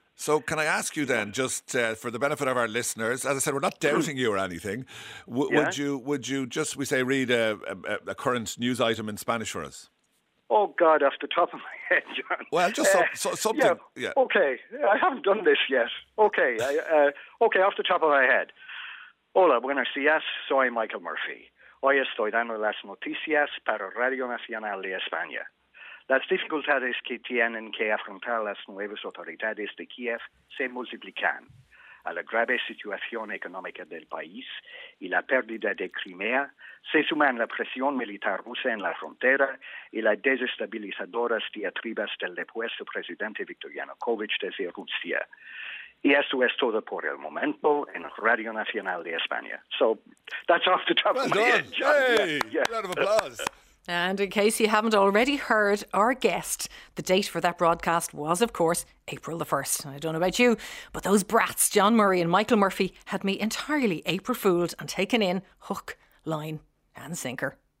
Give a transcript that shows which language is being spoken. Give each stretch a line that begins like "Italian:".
English: So can I ask you then, just for the benefit of our listeners, as I said, we're not doubting you or anything, yeah. would you just, we say, read a current news item in Spanish for us? Oh, God, off the top of my head, John. Well, just something. Yeah. Okay, I haven't done this yet. Okay, okay, off the top of my head.
Spanish: Hola, buenos días, soy Michael Murphy. Hoy estoy dando las noticias para Radio Nacional de España. Las dificultades que tienen que afrontar las nuevas autoridades de Kiev se multiplican. A la grave situación económica del país y la pérdida de Crimea se suman la presión militar rusa en la frontera y las desestabilizadoras diatribas del depuesto presidente Viktor Yanukovych desde Rusia. Y eso es todo por el momento en Radio Nacional de España.
English: So, that's off the top well of my done. Head. Hey, yeah. Round of applause. And in case you haven't already heard our guest, the date for that broadcast was, of course, April the 1st. I don't know about you, but those brats, John Murray and Michael Murphy, had me entirely April fooled and taken in hook, line and sinker.